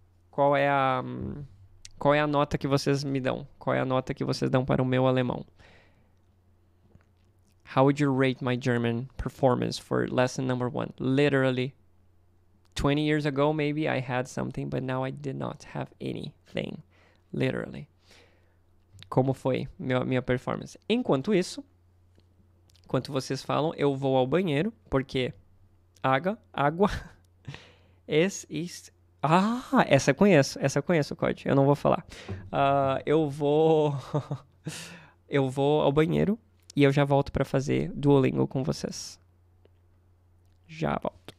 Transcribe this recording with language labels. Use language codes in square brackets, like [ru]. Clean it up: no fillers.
[pt] Qual é a nota que vocês me dão? Qual é a nota que vocês dão para o meu alemão? [en] How would you rate my German performance for lesson number one? Literally, 20 years ago, maybe I had something, but now I did not have anything. [pt] Literally. Como foi minha performance? Enquanto isso, enquanto vocês falam, eu vou ao banheiro, porque água... Essa eu conheço, Cody. Eu não vou falar. Eu vou ao banheiro e eu já volto para fazer Duolingo com vocês. Já volto.